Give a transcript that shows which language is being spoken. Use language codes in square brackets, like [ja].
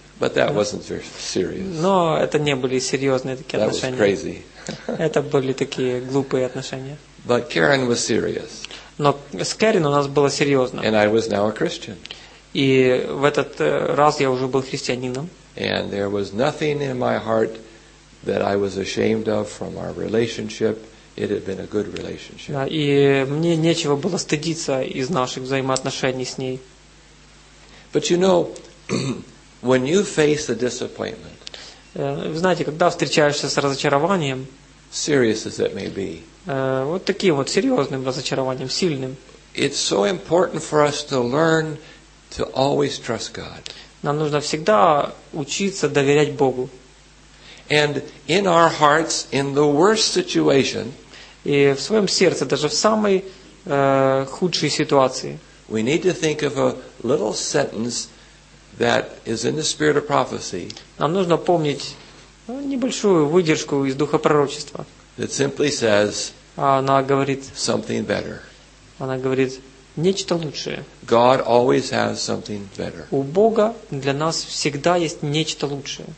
[en] But that wasn't very serious. [ru] Но это не были серьезные такие [en] that [ru] отношения. [en] Was crazy. [ru] Это были такие глупые отношения. [en] But Karen was serious. [ru] Но с Кэрин у нас было серьезно. [en] And I was now a Christian. [ru] И в этот раз я уже был христианином. [en] And there was nothing in my heart that I was ashamed of from our relationship. It had been a good relationship. [ru] Да, и мне нечего было стыдиться из наших взаимоотношений с ней. [en] But you know, when you face a disappointment, [ru] вы знаете, когда встречаешься с разочарованием, [en] serious as it may be, [ru] вот таким вот серьезным разочарованием, сильным, [en] it's so important for us to learn to always trust God. [ru] Нам нужно всегда учиться доверять Богу. [en] And in our hearts, in the worst situation, [ru] и в своем сердце, даже в самой худшей ситуации, [en] we need to think of a little sentence that is in the spirit of prophecy. [ru] Нам нужно помнить небольшую выдержку из духа пророчества. [en] That simply says, [ru] она говорит, [en] something better. [ru] Она говорит, нечто лучшее. [en] God always has something better. [ru] У Бога для нас всегда есть нечто лучшее.